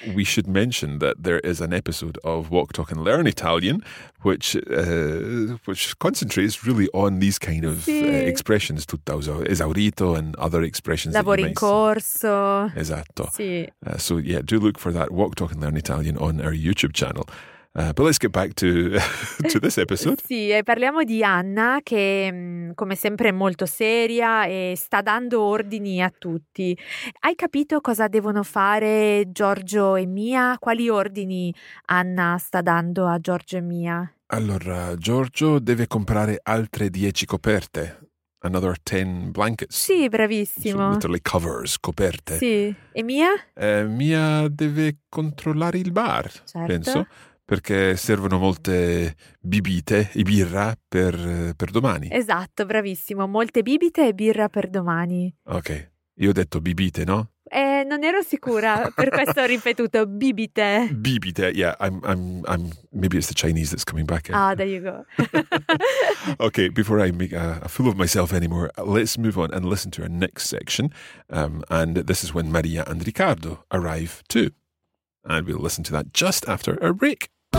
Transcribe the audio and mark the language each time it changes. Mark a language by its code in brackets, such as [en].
[en] We should mention that there is an episode of Walk, Talk and Learn Italian which concentrates really on these kind of [it] sì. [en] Expressions, [it] tutto esaurito [en] and other expressions. [it] Lavoro in corso. Esatto. Sì. [en] So yeah, do look for that Walk, Talk and Learn Italian on our YouTube channel. But let's get back to this episode. [it] Sì, e parliamo di Anna che, come sempre, è molto seria e sta dando ordini a tutti. Hai capito cosa devono fare Giorgio e Mia? Quali ordini Anna sta dando a Giorgio e Mia? Allora, Giorgio deve comprare altre 10 coperte. [en] Another 10 blankets. [it] Sì, bravissimo. [en] So literally covers, coperte. [it] Sì. E Mia? Mia deve controllare il bar, certo. Penso. Perché servono molte bibite e birra per domani. Esatto, bravissimo. Molte bibite e birra per domani. Ok. Io ho detto bibite, no? Non non ero sicura, per questo ho ripetuto bibite. [en] Bibite, yeah, I'm maybe it's the Chinese that's coming back in. Ah, there you go. Okay, before I make a fool of myself anymore, let's move on and listen to our next section. And this is when Maria and Ricardo arrive too. And we'll listen to that just after our break.